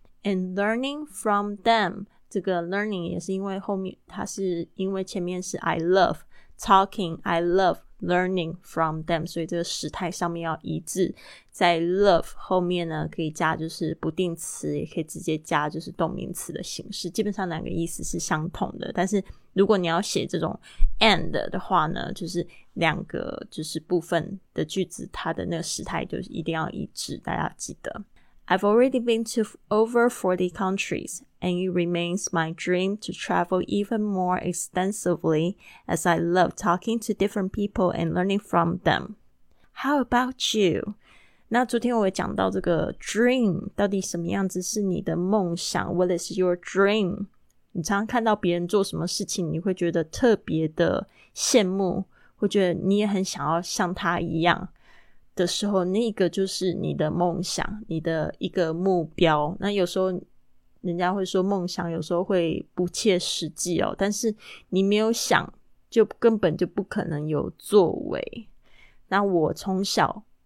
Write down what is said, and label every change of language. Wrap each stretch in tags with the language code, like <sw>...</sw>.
<en>And learning from them,</en> <zh>这个 learning 也是因为后面，它是因为前面是</zh> <en>I love talking, I love learning from them,</en> <zh>所以这个时态上面要一致，在 love 后面呢可以加就是不定词，也可以直接加就是动名词的形式，基本上两个意思是相同的。但是如果你要写这种 and 的话呢，就是两个就是部分的句子它的那个时态就是一定要一致，大家记得。</zh> <en>I've already been to over 40 countries, and it remains my dream to travel even more extensively as I love talking to different people and learning from them. How about you?</en> <zh>那昨天我也讲到这个 dream 到底什么样子是你的梦想</zh> <en>What is your dream?</en> <zh>你常常看到别人做什么事情你会觉得特别的羡慕会觉得你也很想要像他一样的时候那个就是你的梦想你的一个目标那有时候人家会说梦想有时候会不切实际哦但是你没有想就根本就不可能有作为那我从小</zh>